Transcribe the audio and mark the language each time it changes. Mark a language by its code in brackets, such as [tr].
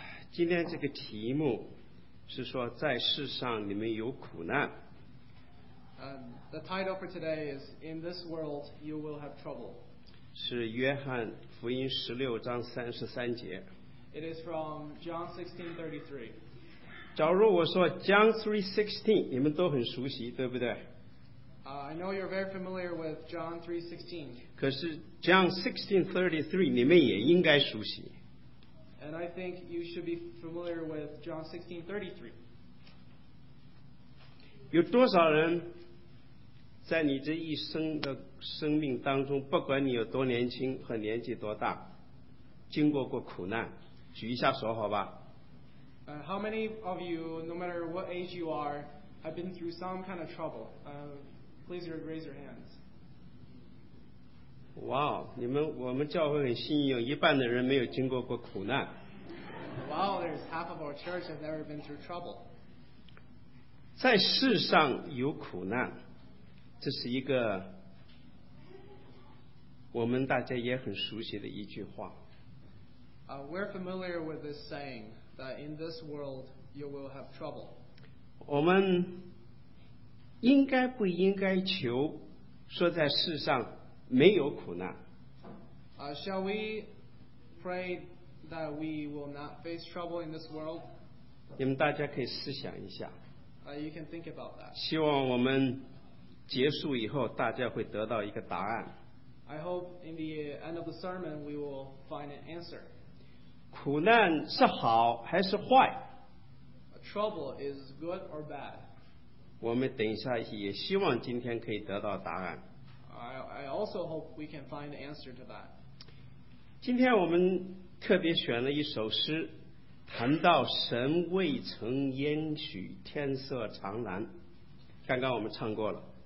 [zh] 今天这个题目是说在世上你们有苦难。 [en] The title for today is In this world you will have trouble。 [zh] 是约翰福音十六章三十三节。 [en] It is from John 16:33。 [zh] 假如我说 John 3:16 你们都很熟悉对不对、 [en] I know you're very familiar with John 3:16 [zh] 可是 John 16:33 你们也应该熟悉 [en] And I think you should be familiar with John 16:33 [zh] 有多少人在你这一生的生命当中不管你有多年轻和年纪多大经过过苦难举一下手好吧 [en] How many of you, no matter what age you are, have been through some kind of trouble? Please raise your hands. [zh] Wow, 你们我们教会很幸运，有一半的人没有经过过苦难。 [en] Wow, there's half of our church has never been through trouble. [zh] 在世上有苦难，这是一个我们大家也很熟悉的一句话。 [en] We're familiar with this saying. That in this world you will have trouble. [zh] 我们应该不应该求说在世上没有苦难 [en] Shall we pray that we will not face trouble in this world? [zh] 你们大家可以思想一下 [en] You can think about that. [zh] 希望我们结束以后大家会得到一个答案 [en] I hope in the end of the sermon we will find an answer. [zh] 苦难是好还是坏 [en] Trouble is good or bad. [zh] 我们等一下也希望今天可以得到答案 [en] I also hope we can find the answer to that. [zh] 今天我们特别选了一首诗谈到神未曾烟许天色长蓝刚刚我们唱过了